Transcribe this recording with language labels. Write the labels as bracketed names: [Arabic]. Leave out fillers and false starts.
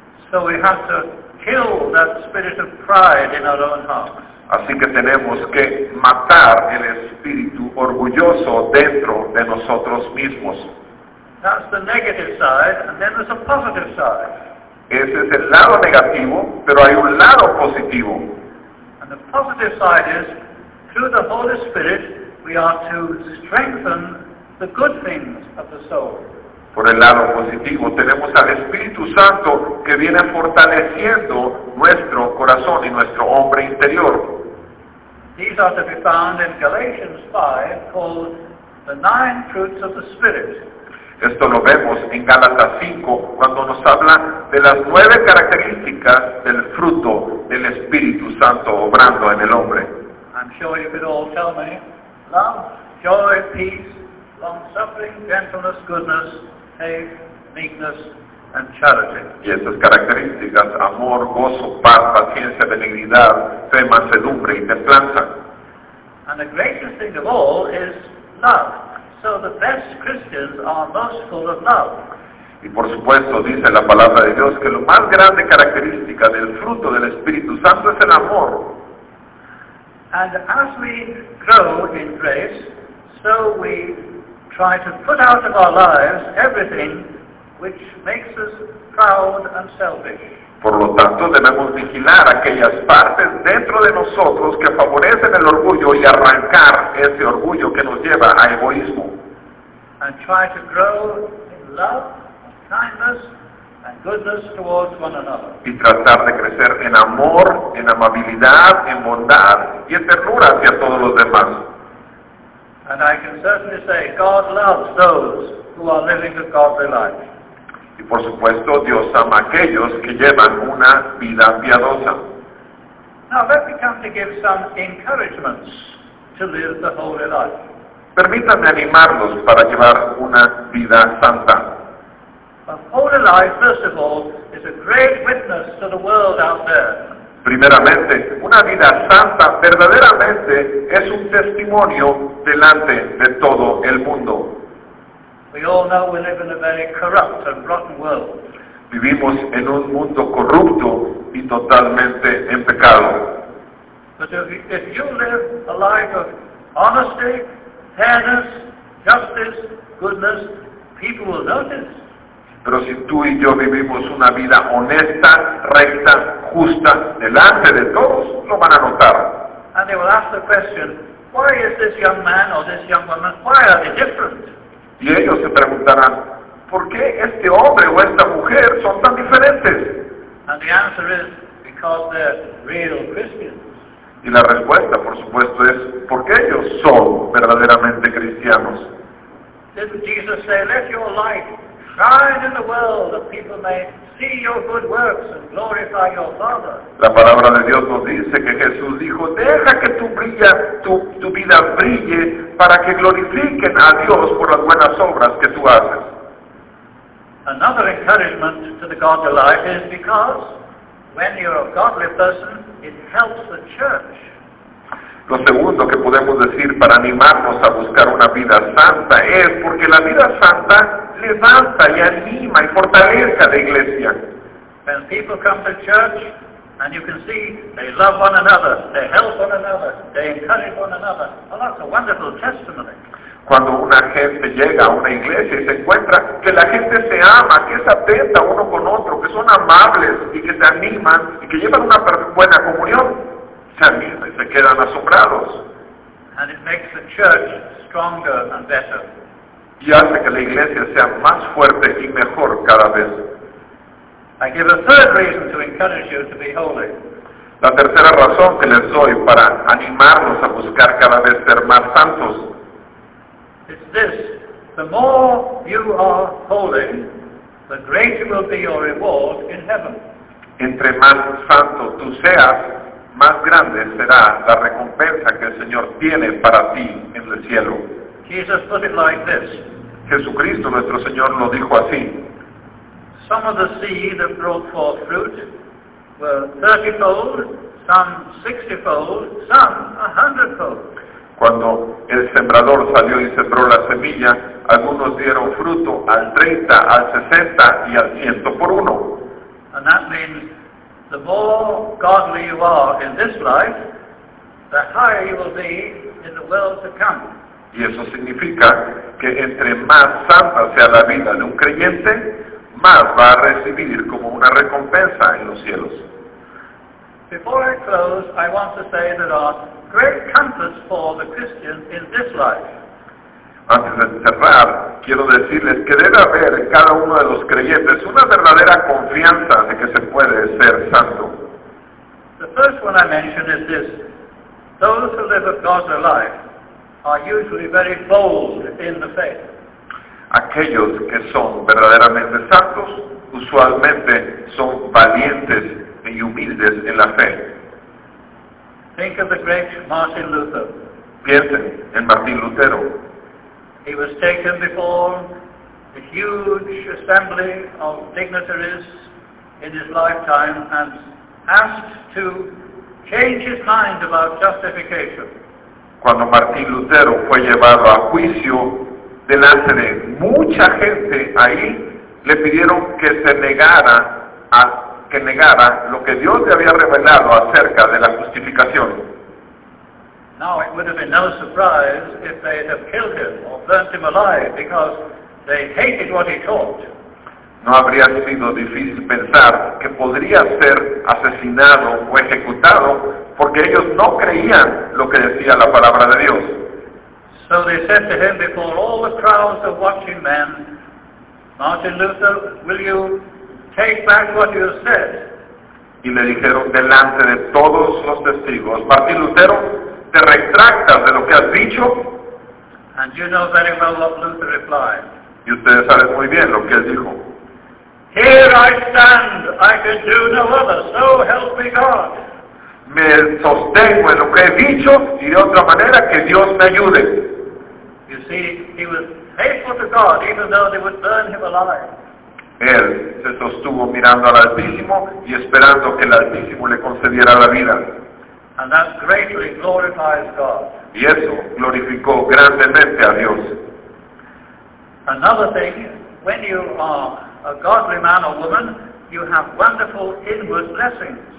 [English] So we have to kill that spirit of pride in our own hearts. [Spanish] Así que tenemos que matar el espíritu orgulloso dentro de nosotros mismos. [English] That's the negative side, and then there's a positive side. [Spanish] Ese es el lado negativo, pero hay un lado positivo. [English] And the positive side is, through the Holy Spirit, we are to strengthen the good things of the soul. [Spanish] Por el lado positivo, tenemos al Espíritu Santo que viene fortaleciendo nuestro corazón y nuestro hombre interior. [English] These are to be found in Galatians 5, called the nine fruits of the Spirit. [Spanish] Esto lo vemos en Gálatas 5, cuando nos habla de las nueve características del fruto del Espíritu Santo obrando en el hombre. [English] I'm sure you could all tell me. Love, joy, peace, long-suffering, gentleness, goodness, faith, meekness, and charity. [Spanish] Y estas características, amor, gozo, paz, paciencia, benignidad, fe, mansedumbre y templanza. [English] And the greatest thing of all is love. So the best Christians are most full of love. [Spanish] Y por supuesto, dice la palabra de Dios, que lo más grande característica del fruto del Espíritu Santo es el amor. [English] And as we grow in grace, so we try to put out of our lives everything which makes us proud and selfish. [Spanish] Por lo tanto, debemos vigilar aquellas partes dentro de nosotros que favorecen el orgullo y arrancar ese orgullo que nos lleva a egoísmo. [English] And try to grow in love, kindness, and goodness towards one another. [Spanish] Y tratar de crecer en amor, en amabilidad, en bondad y en ternura hacia todos los demás. [English] And I can certainly say, God loves those who are living a godly life. [Spanish] Y por supuesto, Dios ama a aquellos que llevan una vida piadosa. [English] Now let me come to give some encouragements to live the holy life. [Spanish] Permítanme animarlos para llevar una vida santa. [English] A holy life, first of all, is a great witness to the world out there. [Spanish] Primeramente, una vida santa verdaderamente es un testimonio delante de todo el mundo. [English] We all know we live in a very corrupt and rotten world. [Spanish] Vivimos en un mundo corrupto y totalmente en pecado. [English] But if you live a life of honesty, fairness, justice, goodness, people will notice. [Spanish] Pero si tú y yo vivimos una vida honesta, recta, justa, delante de todos, lo van a notar. [English] And they will ask the question, why is this young man or this young woman, why are they different? [Spanish] Y ellos se preguntarán, ¿por qué este hombre o esta mujer son tan diferentes? [English] And the answer is, because they're real Christians. [Spanish] Y la respuesta, por supuesto, es porque ellos son verdaderamente cristianos. [English] Didn't Jesus say, let your light shine in the world that people may see your good works and glorify your Father? [Spanish] La palabra de Dios nos dice que Jesús dijo, deja que tu vida brille para que glorifiquen a Dios por las buenas obras que tú haces. [English] Another encouragement to the godly life is because when you're a godly person, it helps the church. [Spanish] Lo segundo que podemos decir para animarnos a buscar una vida santa es porque la vida santa levanta y anima y fortalece a la iglesia. [English] When people come to church and you can see they love one another, they help one another, they encourage one another, well, that's a wonderful testimony. [Spanish] Cuando una gente llega a una iglesia y se encuentra que la gente se ama, que es atenta uno con otro, que son amables y que se animan y que llevan una buena comunión, se animan y se quedan asombrados. [English] And it makes the church stronger and better. [Spanish] Y hace que la iglesia sea más fuerte y mejor cada vez. [English] I give a third reason to encourage you to be holy. [Spanish] La tercera razón que les doy para animarnos a buscar cada vez ser más santos. [English] It's this, the more you are holy, the greater will be your reward in heaven. [Spanish] Entre más santo tú seas, más grande será la recompensa que el Señor tiene para ti en el cielo. [English] Jesus put it like this. [Spanish] Jesucristo nuestro Señor lo dijo así. [English] Some of the seed that brought forth fruit were 30-fold, some 60-fold, some 100-fold. [Spanish] Cuando el sembrador salió y sembró la semilla, algunos dieron fruto al 30, al 60 y al 100 por uno. [English] And that means the more godly you are in this life, the higher you will be in the world to come. [Spanish] Y eso significa que entre más santa sea la vida de un creyente, más va a recibir como una recompensa en los cielos. [English] Before I close, I want to say that our great comforts for the Christian in this life. [Spanish] Antes de cerrar, quiero decirles que debe haber en cada uno de los creyentes una verdadera confianza de que se puede ser santo. [English] The first one I mentioned is this. Those who live a godly life are usually very bold in the faith. [Spanish] Aquellos que son verdaderamente santos usualmente son valientes y humildes en la fe. [English] Think of the great Martin Luther. [Spanish] Piensen en Martín Lutero. [English] He was taken before a huge assembly of dignitaries in his lifetime and asked to change his mind about justification. [Spanish] Cuando Martín Lutero fue llevado a juicio delante de mucha gente ahí, le pidieron que se negara negara lo que Dios le había revelado acerca de la justificación. [English] Now it would have been no surprise if they had killed him or burnt him alive because they hated what he taught. [Spanish] No habría sido difícil pensar que podría ser asesinado o ejecutado porque ellos no creían lo que decía la palabra de Dios. [English] So they said to him before all the crowds of watching men, Martin Luther, will you take back what you said? [Spanish] Y le dijeron delante de todos los testigos, Martín Lutero, ¿te retractas de lo que has dicho? [English] And you know very well what Luther replied. [Spanish] Y ustedes saben muy bien lo que él dijo. [English] Here I stand, I can do no other, so help me God. [Spanish] Me sostengo en lo que he dicho y de otra manera que Dios me ayude. [English] You see, he was faithful to God even though they would burn him alive. [Spanish] Él se sostuvo mirando al Altísimo y esperando que el Altísimo le concediera la vida. [English] And that greatly glorifies God. [Spanish] Y eso glorificó grandemente a Dios. [English] Another thing, when you are a godly man or woman, you have wonderful inward blessings.